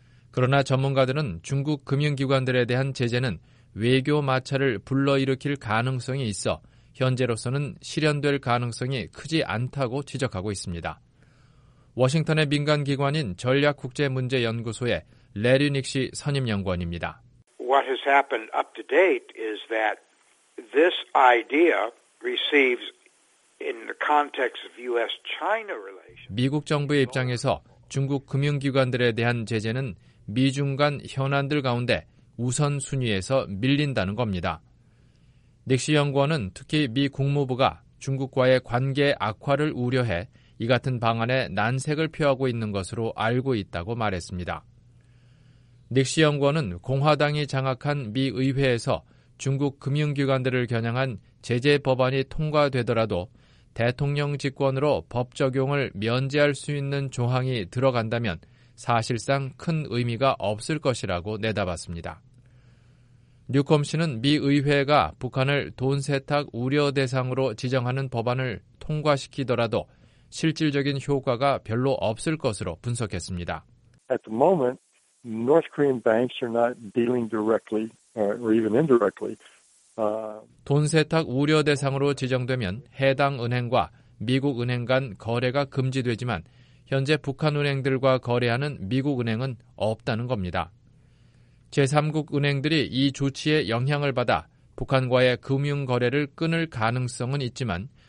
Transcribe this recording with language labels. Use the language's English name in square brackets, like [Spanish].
[Korean] 그러나 전문가들은 중국 금융기관들에 대한 제재는 외교 마찰을 불러일으킬 가능성이 있어 현재로서는 실현될 가능성이 크지 않다고 지적하고 있습니다. 워싱턴의 민간기관인 전략국제문제연구소의 래리 닉시 선임연구원입니다. [English] What has happened up to date is that this idea receives in the context of U.S.-China relations. [Korean] 미국 정부의 입장에서 중국 금융기관들에 대한 제재는 미중 간 현안들 가운데 우선순위에서 밀린다는 겁니다. 닉시 연구원은 특히 미 국무부가 중국과의 관계 악화를 우려해 이 같은 방안에 난색을 표하고 있는 것으로 알고 있다고 말했습니다. 닉시 연구원은 공화당이 장악한 미 의회에서 중국 금융기관들을 겨냥한 제재 법안이 통과되더라도 대통령 직권으로 법 적용을 면제할 수 있는 조항이 들어간다면 사실상 큰 의미가 없을 것이라고 내다봤습니다. 뉴콤 씨는 미 의회가 북한을 돈 세탁 우려 대상으로 지정하는 법안을 통과시키더라도 실질적인 효과가 별로 없을 것으로 분석했습니다. [English] At the moment, North Korean banks are not dealing directly or even indirectly. [Korean] 돈 세탁 우려 대상으로 지정되면 해당 은행과 미국 은행 간 거래가 금지되지만 현재 북한 은행들과 거래하는 미국 은행은 없다는 겁니다. 제3국 은행들이 이 조치에 영향을 받아 북한과의 금융 거래를 끊을 가능성은 있지만